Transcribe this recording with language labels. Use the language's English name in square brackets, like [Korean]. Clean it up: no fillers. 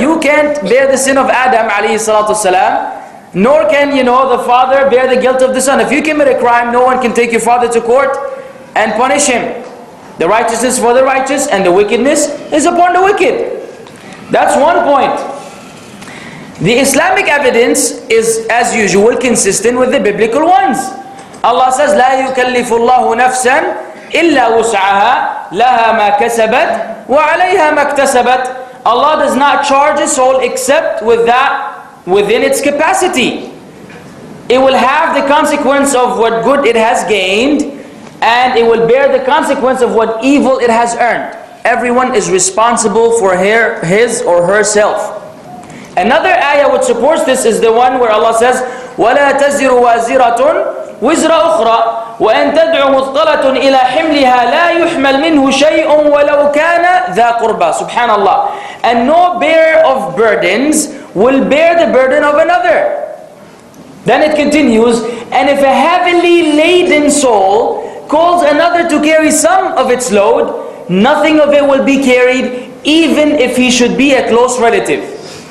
[English] You can't bear the sin of Adam, alayhi salatu salam, nor can, you know, the father bear the guilt of the son. If you commit a crime, no one can take your father to court and punish him. The righteousness for the righteous and the wickedness is upon the wicked. That's one point. The Islamic evidence is, as usual, consistent with the biblical ones. Allah says, [Arabic] لَا يُكَلِّفُ اللَّهُ نَفْسًا إِلَّا وُسْعَهَا لَهَا مَا كَسَبَتْ وَعَلَيْهَا مَا اكْتَسَبَتْ. [English] Allah does not charge a soul except with that within its capacity. It will have the consequence of what good it has gained And it will bear the consequence of what evil it has earned. Everyone is responsible for his or herself. Another ayah which supports this is the one where Allah says, [Arabic] وَلَا تَزِرُ وَازِرَةٌ وِزْرَ أُخْرَى وَأَنْ تَدْعُ مُثْقَلَةٌ إِلَى حِمْلِهَا لَا يُحْمَلْ مِنْهُ شَيْءٌ وَلَوْ كَانَ ذَا قُرْبَى. Subhanallah. [English] And no bearer of burdens will bear the burden of another. Then it continues, and if a heavily laden soul calls another to carry some of its load, nothing of it will be carried, even if he should be a close relative.